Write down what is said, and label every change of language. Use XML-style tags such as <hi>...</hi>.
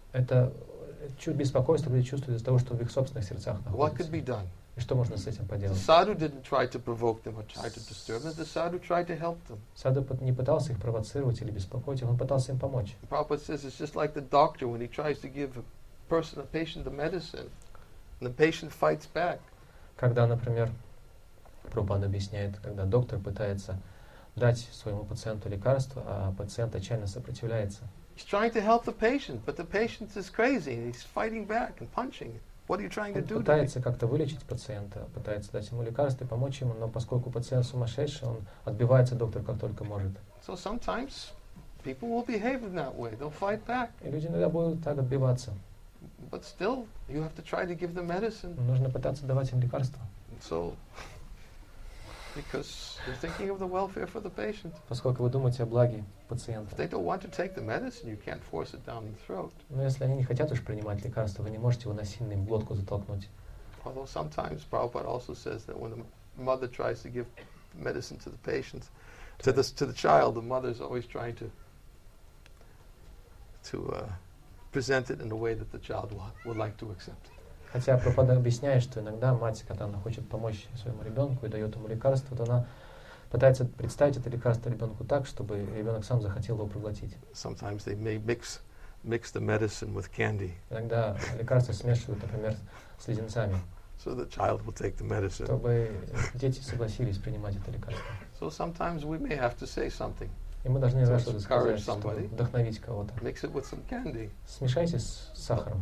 <ru>Это беспокойство люди чувствуют из-за того, что в их собственных сердцах находится.</ru> <en>What could be done?</en> <ru>И что можно с этим поделать?</ru> <en>The sadhu didn't try to provoke them or try to disturb them. The sadhu tried to help them.</en> <ru>Садху не пытался их провоцировать или беспокоить, он пытался им помочь.</ru> <en>Prabhupada says it's just like the doctor when he tries to give a patient the medicine, and the patient fights back.</en> <ru>Когда, например, Прабхупада объясняет, когда доктор пытается дать своему пациенту лекарство, а пациент отчаянно сопротивляется.</ru> <en>He's trying to help the patient, but the patient is crazy. He's fighting back and punching. What are you trying to do?</en> <ru>Пытается как-то вылечить пациента, пытается дать ему лекарство, помочь ему, но поскольку пациент сумасшедший, он отбивается доктор как только может.</ru> <en>So sometimes people will behave in that way. They'll fight back.</en> <ru>И люди иногда будут так отбиваться.</ru> <en>But still, you have to try to give them medicine.</en> <ru>Нужно пытаться давать им лекарство.</ru> <en>So because you're thinking of the welfare for the patient.</en> <ru>Поскольку вы думаете о благе пациента.</ru> <en>If they don't want to take the medicine, you can't force it down the throat.</en> <ru>Но если они не хотят уж принимать лекарство, вы не можете его насильно им в глотку затолкнуть.</ru> <en>Although sometimes Prabhupada also says that when the mother tries to give medicine to the patient, to the child, the mother is always trying to present it in a way that the child would like to accept it.</en> <ru>Хотя Прабхупада объясняет, что иногда мать, когда она хочет помочь своему ребенку и дает ему лекарство, то она пытается представить это лекарство ребенку так, чтобы ребенок сам захотел его проглотить.</ru> <en>Sometimes they may mix the medicine with candy.</en> <ru>Иногда лекарство смешивают, например, с леденцами.</ru> <en>So the child will take the medicine.</en> <ru>Чтобы дети согласились принимать это лекарство.</ru> <en>So sometimes we may have to say something.</en> <ru>И мы должны за что-то сказать, чтобы вдохновить кого-то.</ru> <en>Mix it with some candy.</en> <ru>Смешайте с сахаром.</ru>